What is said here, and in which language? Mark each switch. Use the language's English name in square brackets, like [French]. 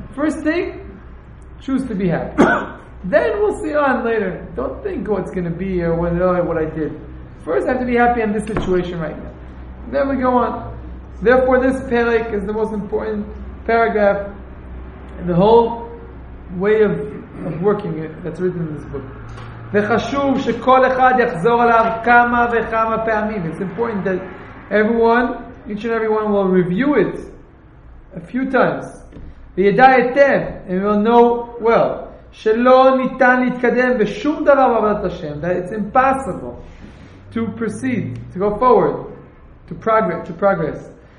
[English] First thing, choose to be happy. Then we'll see on later. Don't think what's going to be or what I did. First, I have to be happy in this situation right now. Then we go on. Therefore, this perek is the most important paragraph in the whole way of working it that's written in this book. [Hebrew] וחשוב שכל אחד יחזור עליו כמה וכמה פעמים. [English] It's important that everyone, each and everyone will review it a few times. [Hebrew] וידע היטב, [English] and will know well, [Hebrew] שלא ניתן להתקדם בשום דבר בעבודת השם, [English] that it's impossible to proceed, to go forward, to progress.